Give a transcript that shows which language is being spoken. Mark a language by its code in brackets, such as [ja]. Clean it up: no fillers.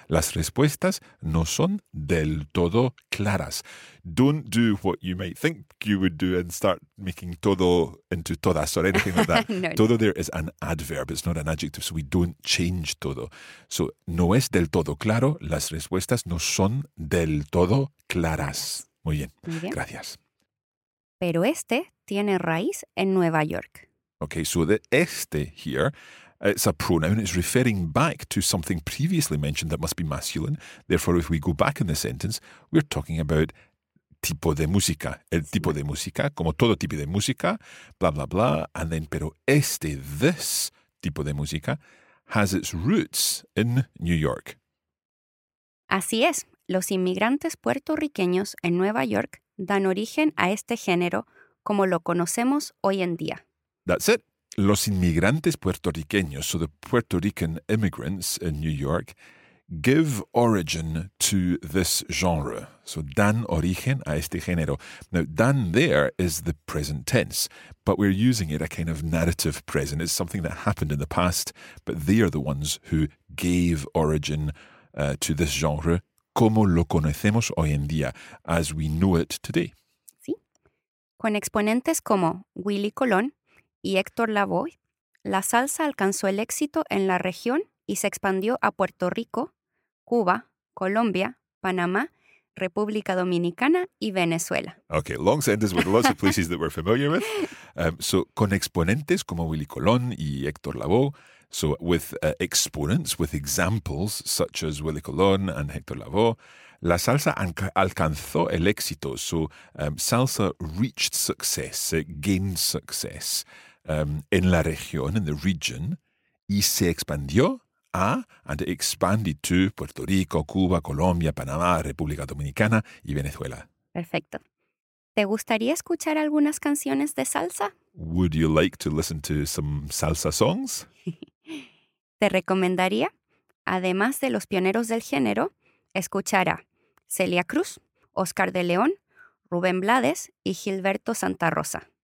[es] Las respuestas no son del todo claras. [en] Don't do what you might think you would do and start making todo into todas or anything like that. No, there is an adverb. It's not an adjective, so we don't change todo. [es] So no es del todo claro. Las respuestas no son del todo claras. Muy bien. Muy bien. Gracias. Pero este tiene raíz en Nueva York. [en] Okay, so the este here, it's a pronoun. It's referring back to something previously mentioned that must be masculine. Therefore, if we go back in the sentence, we're talking about tipo de música. [es] El tipo de música, como todo tipo de música, blah, blah, blah. [en] And then, [es] pero este, [en] this [es] tipo de música, [en] has its roots in New York. [es] Así es. Los inmigrantes puertorriqueños en Nueva York dan origen a este género como lo conocemos hoy en día. [en] That's it. [es] Los inmigrantes puertorriqueños, [en] so the Puerto Rican immigrants in New York, give origin to this genre. [es] So dan origen a este género. [en] Now, dan there is the present tense, but we're using it a kind of narrative present. It's something that happened in the past, but they are the ones who gave origin to this genre. [es] Como lo conocemos hoy en día, [en] as we know it today. [es] Sí. Con exponentes como Willy Colón y Héctor Lavoe, la salsa alcanzó el éxito en la región y se expandió a Puerto Rico, Cuba, Colombia, Panamá, República Dominicana y Venezuela. [en] Okay, long sentence with lots of places that we're familiar with. So, [es] con exponentes como Willy Colón y Héctor Lavoe, [en] so with exponents, with examples such as Willy Colón and Héctor Lavoe, [es] la salsa alcanzó el éxito. [en] So salsa reached success, it gained success [es] en la región, [en] in the region, [es] y se expandió a, [en] and it expanded to, Puerto Rico, Cuba, Colombia, Panamá, República Dominicana y Venezuela. [es] Perfecto. ¿Te gustaría escuchar algunas canciones de salsa? [en] Would you like to listen to some salsa songs? [es] Te recomendaría, además de los pioneros del género, escuchar a Celia Cruz, Oscar de León, Rubén Blades y Gilberto Santa Rosa.